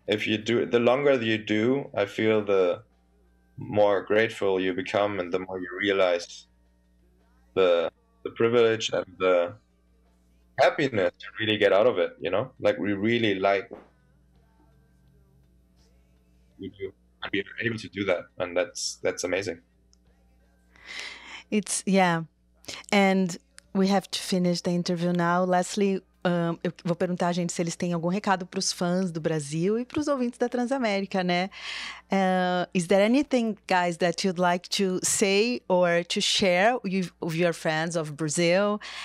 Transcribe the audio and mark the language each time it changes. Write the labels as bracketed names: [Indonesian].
[English] If you do it, the longer you do, I feel the more grateful you become and the more you realize the privilege and the happiness to really get out of it, you know? Like, we really like we do, and we are able to do that, and that's amazing. It's, yeah. And we have to finish the interview now. [Portuguese] Lastly, eu vou perguntar a gente se eles têm algum recado para os fãs do Brasil e para os ouvintes da Transamérica, né? [English] Is there anything, guys, that you'd like to say or to share with your fans of Brazil?